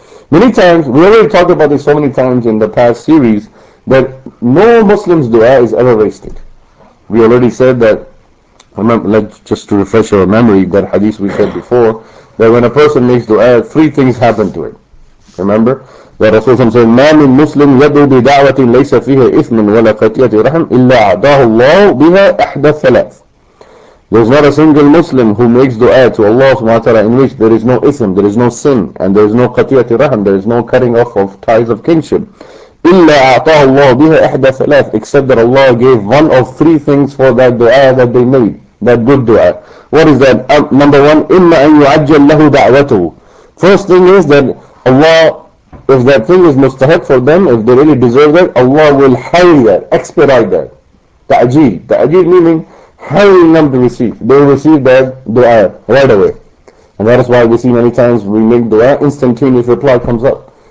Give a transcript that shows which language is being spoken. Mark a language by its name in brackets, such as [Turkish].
[English] Many times, we already talked about this so many times in the past series, that no Muslim's dua is ever wasted. We already said that, just to refresh our memory, that hadith we said before, that when a person makes dua, three things happen to it. Remember? The Rasulullah said, [Arabic] مَا مِنْ مُسْلِمْ يَدُوا بِدَعْوَةٍ لَيْسَ فِيهَا إِثْمٍ وَلَا قَتِيَةِ رَحْمٍ إِلَّا أَعْضَاهُ اللَّهُ بِهَا أَحْدَ ثَلَاثٍ. [English] There is not a single Muslim who makes dua to Allah subhanahu wa ta'ala in which there is no ism, there is no sin, and there is no qatiyati rahm, there is no cutting off of ties of kinship. [Arabic] إِلَّا أَعْطَاهُ اللَّهُ بِهَا أَحْدَ ثَلَاثٍ, [English] except that Allah gave one of three things for that dua that they made, that good dua. What is that? Number one, [Arabic] إِمَّا أَن يُعَجَّلْ لَهُ دَعْوَتُهُ. [English] First thing is that Allah, if that thing is mustahak for them, if they really deserve that, Allah will hurry that, expedite that. Ta'jeel. Ta'jeel meaning hurrying them to receive. They receive that dua right away. And that is why we see many times we make dua, instantaneous reply comes up.